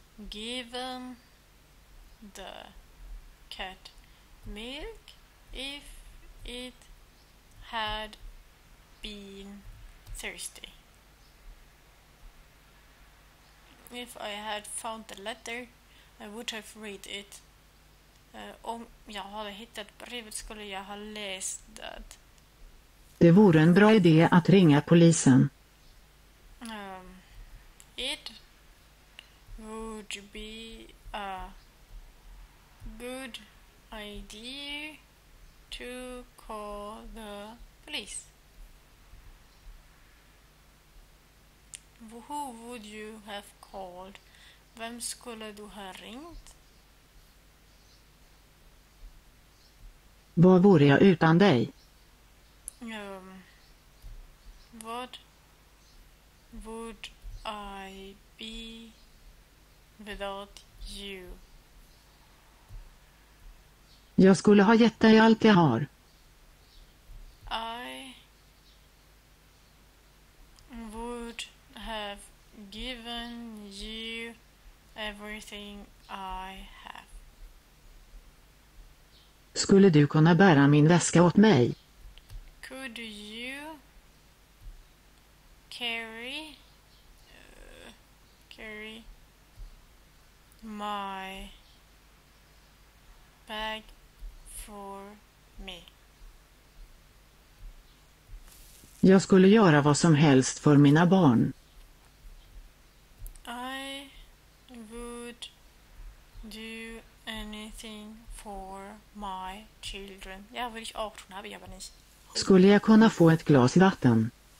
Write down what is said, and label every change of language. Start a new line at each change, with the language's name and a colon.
English: given the cat milk if it had been thirsty. If I had found the letter, I would have read it.
Swedish: Om jag hade hittat brevet skulle jag ha läst det. Det vore en bra idé att ringa polisen.
English: It would be a good idea to call the police. Who would you have called?
Swedish: Vem skulle du ha ringt? Vad vore jag utan dig?
English: What would I be without you?
Swedish: Jag skulle ha gett dig allt jag har.
English: I would have given you everything I have.
Swedish: Skulle du kunna bära min väska åt mig?
English: Could you carry, carry my bag for me?
Swedish: Jag skulle göra vad som helst för mina barn.
English: I would do anything for my children.
Swedish: Jag vill inte åt honom, jag vill inte. Skulle jag kunna få ett glas vatten?